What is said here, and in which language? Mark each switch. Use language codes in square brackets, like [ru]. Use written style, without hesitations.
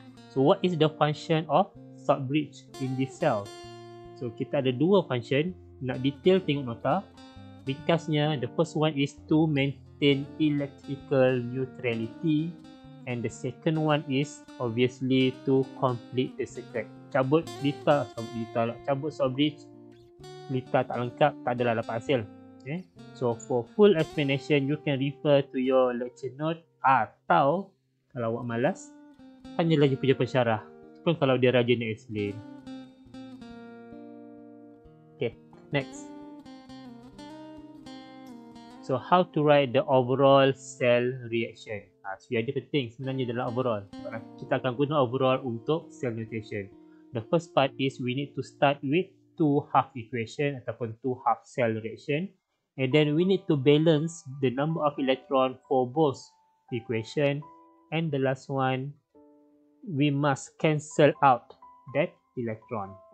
[en] So what is the function of salt bridge in this cell? So [ms] kita ada dua function, nak detail tengok nota. Ringkasnya, [en] the first one is to maintain electrical neutrality, and the second one is obviously to complete the circuit. [ms] Cabut litar, cabut litar lah, cabut salt bridge, litar tak lengkap, tak adalah dapat hasil. [en] Okay, so for full explanation you can refer to your lecture note, [ms] atau kalau awak malas tanya lagi punya pensyarah pun kalau dia rajin [en] explain. Okay, next. So how to write the overall cell reaction? [ms] So yang dia penting sebenarnya adalah overall. Kita akan guna overall untuk cell notation. [en] The first part is we need to start with two half equation ataupun two half cell reaction. And then we need to balance the number of electron for both equation. And the last one, we must cancel out that electron.